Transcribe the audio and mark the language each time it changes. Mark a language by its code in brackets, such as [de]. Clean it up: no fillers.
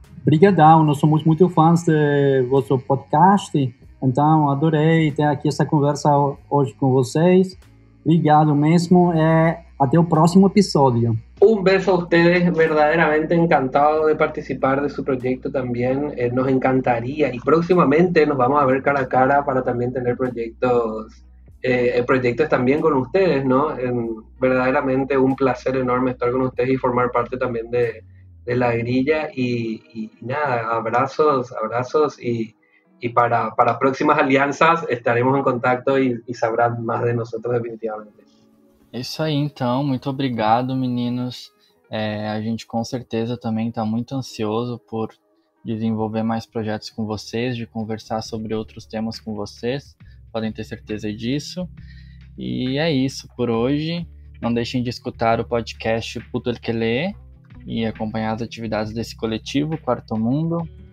[pt] Obrigadão, nós somos muito fãs do vosso podcast, então adorei ter aqui essa conversa hoje com vocês. Obrigado mesmo e até o próximo episódio. Um beijo a vocês, verdadeiramente encantado de participar de seu projeto também. [es] Nos encantaria e próximamente nos vamos a ver cara a cara para [pt] também ter [es] proyectos también con ustedes, ¿no? Verdaderamente un placer enorme estar con ustedes y formar parte también de la grilla y nada, abrazos y para próximas alianzas estaremos en contacto y sabrán más de nosotros definitivamente. Eso ahí, entonces, [pt] muito obrigado, meninos. A gente com certeza também está muito ansioso por desenvolver mais projetos com vocês, de conversar sobre outros temas com vocês. Podem ter certeza disso. E é isso por hoje. Não deixem de escutar o podcast Puto El Quelé e acompanhar as atividades desse coletivo, Quarto Mundo.